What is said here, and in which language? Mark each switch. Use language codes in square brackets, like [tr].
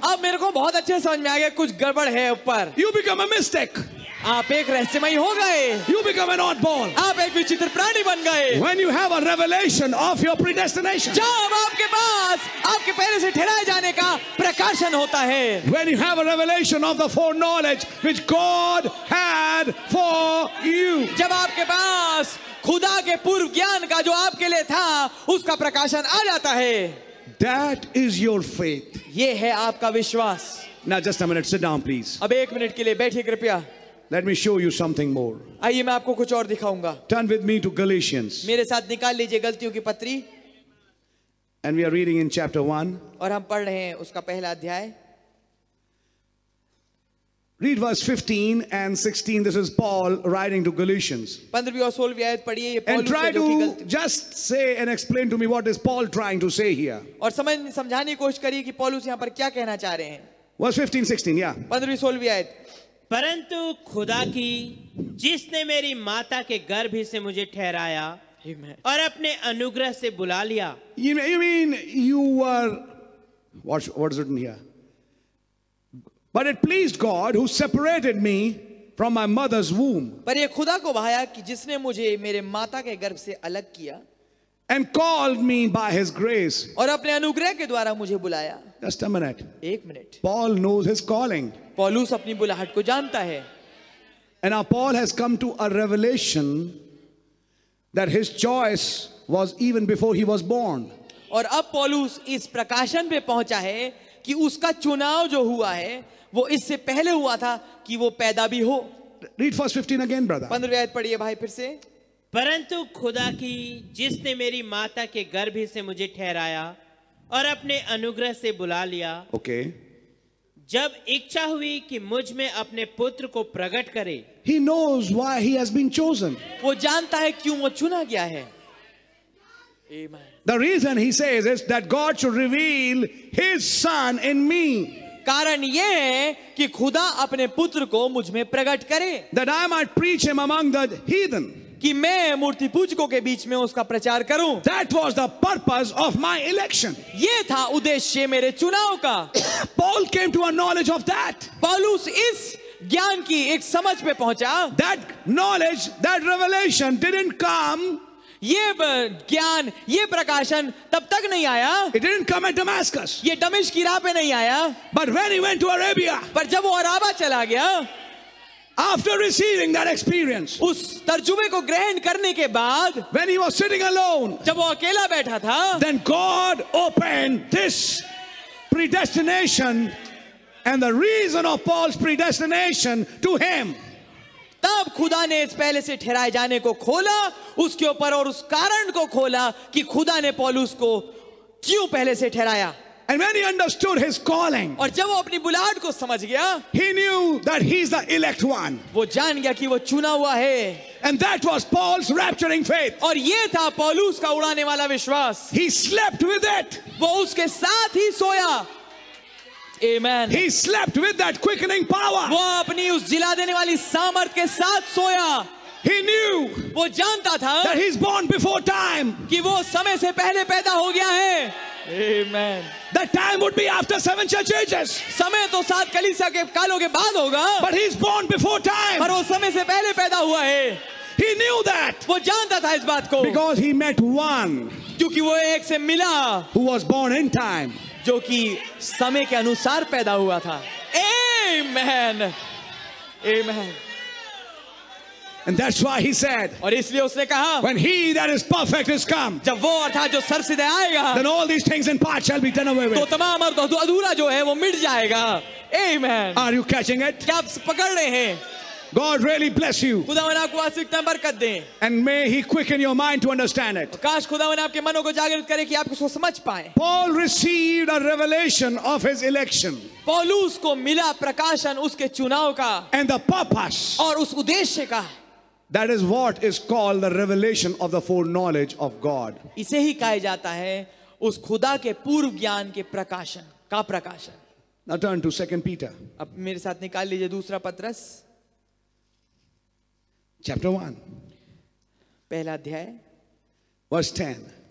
[hi] अब मेरे को बहुत अच्छे समझ में आ गया, कुछ गड़बड़ है ऊपर. [en] You become a mystic. [hi] आप एक रहस्यमय हो गए. [en] You become an oddball. [hi] आप एक विचित्र प्राणी बन गए. [en] When you have a revelation of your predestination. [hi] जब आपके पास आपके पहले से ठहराए जाने का प्रकाशन होता है. [en] When you have a revelation of the foreknowledge which God had for you. [hi] जब आपके पास खुदा के पूर्व ज्ञान का जो आपके लिए था उसका प्रकाशन आ जाता है. [en] That is your faith. [hi] ये है आपका विश्वास. [en] Now just a minute, sit down, please. [hi] अब एक मिनट के लिए बैठिए कृपया. [en] Let me show you something more. [hi] आइए मैं आपको कुछ और दिखाऊंगा. [en] Turn with me to Galatians. [hi] मेरे साथ निकाल लीजिए गलतियों की पत्री. [en] And we are reading in chapter 1. [hi] और हम पढ़ रहे हैं उसका पहला अध्याय. [en] Read verse 15 and 16. This is Paul writing to Galatians. [hi] 15वीं और 16वीं आयत पढ़िए. [en] And try to just say and explain to me what is Paul trying to say here. [hi] और समझाने की कोशिश करिए कि पॉलुस यहाँ पर क्या कहना चाह रहे हैं. [en] Verse 15, 16, yeah. [hi] 15वीं 16वीं आयत. परंतु खुदा की जिसने मेरी माता के गर्भ ही से मुझे ठहराया और अपने अनुग्रह से बुला लिया. [en] You mean you were, what's written here? But it pleased God who separated me from my mother's womb. [hi] पर ये खुदा को भाया कि जिसने मुझे मेरे माता के गर्भ से अलग किया. [en] And called me by his grace. [hi] और अपने अनुग्रह के द्वारा मुझे बुलाया. [en] Just a minute. [hi] एक minute. [en] Paul knows his calling. [hi] पौलुस अपनी बुलाहट को जानता है. [en] And now Paul has come to a revelation that his choice was even before he was born. [hi] और अब पौलुस इस प्रकाशन पे पहुंचा है कि उसका चुनाव जो हुआ है वो इससे पहले हुआ था कि वो पैदा भी हो. [en] Read verse 15 again, brother. [hi] 15वीं आयत पढ़िए भाई फिर से. परंतु खुदा की जिसने मेरी माता के गर्भ ही से मुझे ठहराया और अपने अनुग्रह से बुला लिया. [en] Okay. [hi] जब इच्छा हुई कि मुझ में अपने पुत्र को प्रकट करे. [en] He knows why he has been chosen. [hi] वो जानता है क्यों वो चुना गया है. [en] Amen. The reason he says is that God should reveal his son in me. [hi] कारण ये है कि खुदा अपने पुत्र को मुझ में प्रकट करे. [en] That I might preach him among the heathen. [hi] कि मैं मूर्ति पूजकों के बीच में उसका प्रचार करूं. [en] That was the purpose of my election. [hi] ये था उद्देश्य मेरे चुनाव का. [en] Paul came to a knowledge of that. [hi] पौलुस इस ज्ञान की एक समझ पे पहुंचा. [en] That knowledge, that revelation didn't come. [hi] ये ज्ञान, ये प्रकाशन तब तक नहीं आया. [en] It didn't come at Damascus. [hi] ये दमिश्क की राह पे नहीं आया. [en] But when he went to Arabia. [hi] पर जब वो अराबा चला गया. [en] After receiving that experience, [hi] उस तर्जुमे को ग्रहण करने के बाद, [en] when he was sitting alone, [hi] जब वो अकेला बैठा था, [en] then God opened this predestination And the reason of Paul's predestination to him. [hi] तब खुदा ने इस पहले से ठहराए जाने को खोला उसके ऊपर और उस कारण को खोला कि खुदा ने पौलुस को क्यों पहले से ठहराया. [en] And when he understood his calling, [hi] और जब वो अपनी बुलाहट को समझ गया, [en] he knew that he is the elect one. [hi] वो जान गया कि वो चुना हुआ है. [en] And that was Paul's rapturing faith. [hi] और ये था पौलुस का उड़ाने वाला विश्वास. [en] He slept with it. [hi] वो उसके साथ ही सोया. Amen. [en] He slept with that quickening power. [hi] वो अपनी उस जिला देने वाली सामर्थ के साथ सोया. [en] He knew [hi] वो जानता था [en] that he's born before time. [hi] कि वो समय से पहले पैदा हो गया है. [en] Amen. The time would be after seven church ages. [hi] समय तो सात कलीसिया के कालों के बाद होगा. [en] But he's born before time. [hi] पर वो समय से पहले पैदा हुआ है. [en] He knew that. [hi] वो जानता था इस बात को. [en] Because he met one. [hi] क्योंकि वो एक से मिला. [en] Who was born in time. [hi] जो कि समय के अनुसार पैदा हुआ था. [en] Amen. Amen. And that's why he said, [hi] और इसलिए उसने कहा, [en] when he that is perfect is come, [hi] जब वो अर्थात जो सर्वसिद्ध आएगा, [en] then all these things in part shall be done away with. [hi] तो तमाम और अधूरा जो है वो मिट जाएगा. [en] Amen. Are you catching it? [hi] क्या आप पकड़ रहे हैं? [en] God really bless you. [hi] खुदावन आपको आशीर्वाद बरकत दे. [en] And may He quicken your mind to understand it. [hi] काश खुदावन आपके मनों को जागृत करे कि आप इसको समझ पाए. [en] Paul received a revelation of his election. [hi] पौलुस को मिला प्रकाशन उसके चुनाव का. [en] And the purpose. [hi] और उस उद्देश्य का. [en] That is what is called the revelation of the foreknowledge of God. [hi] इसे ही कहा जाता है उस खुदा के पूर्व ज्ञान के प्रकाशन का प्रकाशन. [en] Now turn to 2 Peter. [hi] अब मेरे साथ निकाल लीजिए दूसरा पत्रस. [en] Chapter 1. [hi] पहला अध्याय. [en] Verse 10.